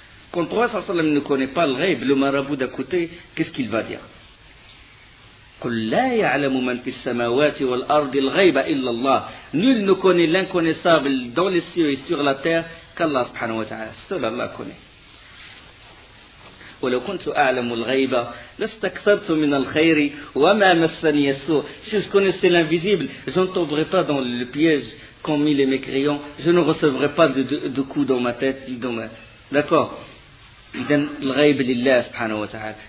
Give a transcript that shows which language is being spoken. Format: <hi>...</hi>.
<fr>Quand le prophète</fr> <ar>صلى الله عليه وسلم</ar> <fr>ne connaît pas le غيب, le marabout d'à côté, qu'est-ce qu'il va dire?</fr> <ar>قل لا يعلم من في السماوات والأرض الغيب إلا الله,</ar> <fr>nul ne connaît l'inconnaissable dans les cieux et sur la terre qu'Allah</fr> <ar>سبحانه وتعالى,</ar> <fr>seul Allah connaît.</fr> <ar>ولو كنت أعلم الغيبة لاستكثرت من الخير وما مسني السوء.</ar> <fr>Si je connaissais l'invisible, je ne tomberais pas dans le piège qu'ont mis les mécréants, je ne recevrais pas de coups dans ma tête ni dans ma... D'accord.</fr> <ar>إذن الغيب لله سبحانه وتعالى.</ar>